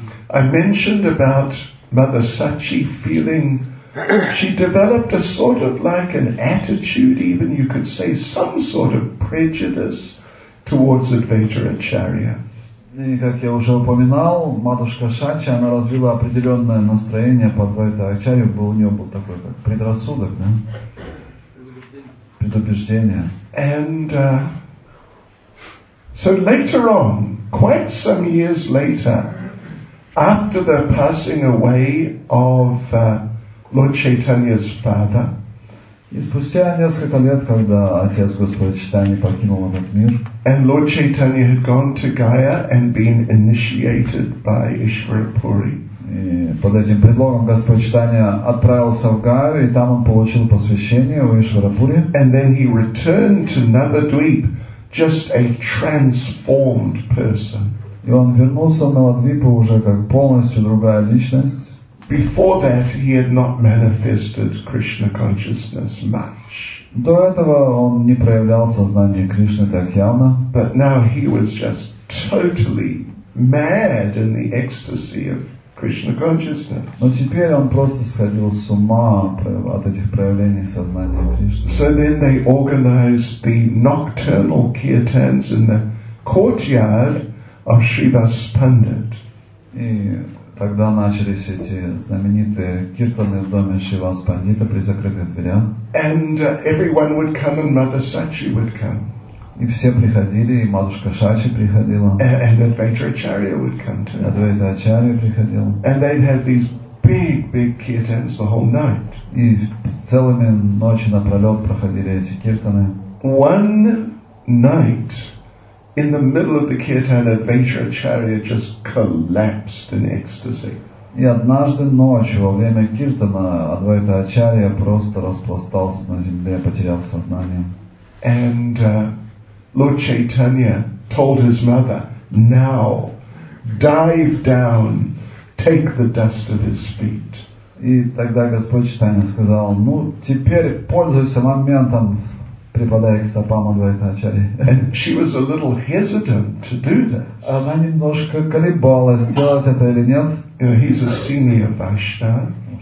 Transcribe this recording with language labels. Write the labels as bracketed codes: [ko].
[en] I mentioned about Mother Sachi feeling. She developed a sort of like an attitude, even you could say some sort of prejudice towards Advaita Acharya. [ru] И как я уже упоминал, матушка Шачи, она развила определенное настроение по Адвайта Ачарье, был у нее был такой как предрассудок, да? Предубеждение. [en] And so later on, quite some years later, after the passing away of Lord Chaitanya's father. [ru] И спустя несколько лет, когда отец Господа Чайтаньи покинул этот мир. [en] And Lord Chaitanya had gone to Gaya and been initiated by Ishwarapuri. [ru] И под этим предлогом Господь Чайтанья отправился в Гаю, и там он получил посвящение у Ишварапури. [en] And then he returned to Navadvip, just a transformed person. [ru] И он вернулся в Навадвипу уже как полностью другая личность. [en] Before that, he had not manifested Krishna consciousness much. [ru] До этого он не проявлял сознание Кришны так явно. [en] But now he was just totally mad in the ecstasy of Krishna consciousness. [ru] Но теперь он просто сходил с ума от этих проявлений сознания Кришны. [en] So then they organized the nocturnal kirtans in the courtyard of Shivas Pandit. [ru] Тогда начались эти знаменитые киртаны в доме Шивас Пандита при закрытых дверях. [en] And everyone would come and Mother Sachi would come. [ru] И все приходили, и матушка Шачи приходила. [en] And Advaita Acharya would come too. [ru] Advaita Acharya приходила. [en] And they'd have these big, big kirtans the whole night. [ru] И целыми ночи напролет проходили эти киртаны. [en] One night, in the middle of the kirtan, Advaita Acharya just collapsed in ecstasy. [ru] И однажды ночью во время киртана Адвайта Ачария просто распластался на земле, потерял сознание. [en] And Lord Chaitanya told his mother, "Now, dive down, take the dust of his feet." [ru] И тогда Господь Чайтанья сказал: "Ну, теперь пользуйся моментом, припадая к стопам Адвайта Ачарьи." [en] And she was a little hesitant to do that. [ru] Она немножко колебалась, делать это или нет. [en] You know, he's a senior Vaishnava.